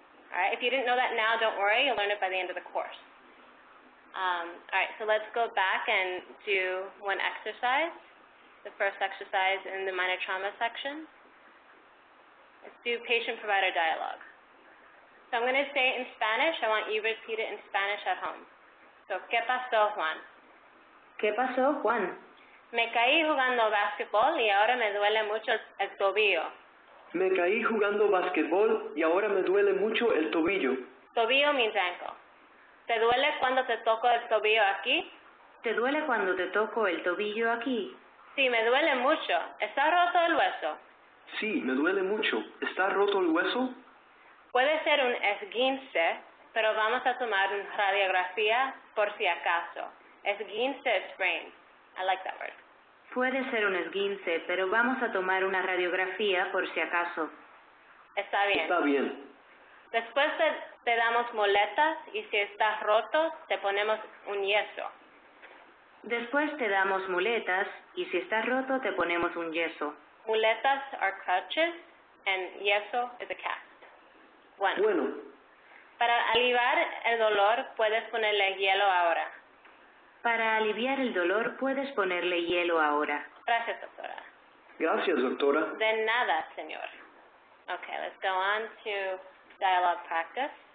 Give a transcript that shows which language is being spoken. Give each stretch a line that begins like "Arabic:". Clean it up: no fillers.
English: All right, if you didn't know that now, don't worry. You'll learn it by the end of the course. All right, so let's go back and do one exercise, the first exercise in the minor trauma section. Let's do patient-provider dialogue. So I'm going to say it in Spanish. I want you to repeat it in Spanish at home.
Spanish: So, ¿qué pasó, Juan? ¿Qué pasó, Juan? Me caí jugando basketball y ahora me duele mucho el tobillo. Me caí jugando basketball y ahora me duele mucho el tobillo.
English: Tobillo means ankle.
Spanish: ¿Te duele cuando te toco el tobillo aquí? ¿Te duele cuando te toco el tobillo aquí? Sí, me duele mucho. ¿Está roto el hueso? Sí, me duele mucho. ¿Está roto el hueso? Puede ser un esguince, pero vamos a tomar una radiografía por si acaso.
English: Esguince is sprain. I like that word.
Spanish: Puede ser un esguince, pero vamos a tomar una radiografía por si acaso. Está bien. Está bien. Después te damos muletas y si estás roto, te ponemos un yeso. Después te damos muletas y si estás roto, te ponemos un yeso.
English: Muletas are crutches and yeso is a cast.
Spanish: Bueno. Para aliviar el dolor, puedes ponerle hielo ahora. Para aliviar el dolor, puedes ponerle hielo ahora. Gracias, doctora. Gracias, doctora. De nada, señor.
English: Okay, let's go on to dialogue practice.